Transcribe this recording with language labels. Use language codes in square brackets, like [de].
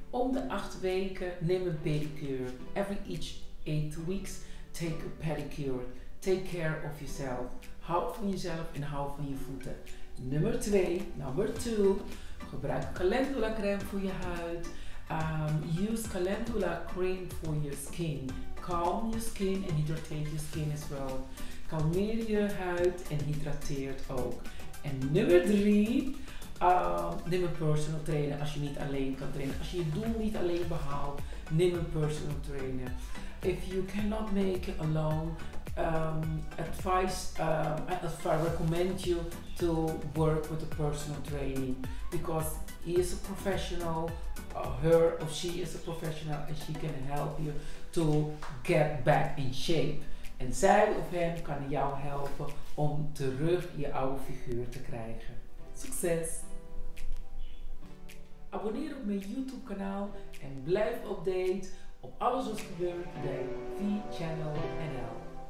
[nl] Om de 8 weken neem een pedicure. [en] Every each 8 weeks take a pedicure. Take care of yourself. [nl] Hou van jezelf en hou van je voeten. [en] Number 2. [nl] Gebruik calendula crème voor je huid. [en] Use calendula cream for your skin. Calm your skin and hydrate your skin as well. [nl] Kalmeer je huid en hydrateert ook. En [en] number 3. [nl] Neem een personal trainer als je niet alleen kan trainen. Als je je doel niet alleen behaalt, neem een personal trainer. [en] If you cannot make it alone, I recommend you to work with a personal training because he is a professional, her or she is a professional and she can help you to get back in shape. [nl] En zij of hem kan jou helpen om terug je oude figuur te krijgen. Succes! Abonneer op mijn YouTube kanaal en blijf update op alles wat gebeurt bij VChannel.nl.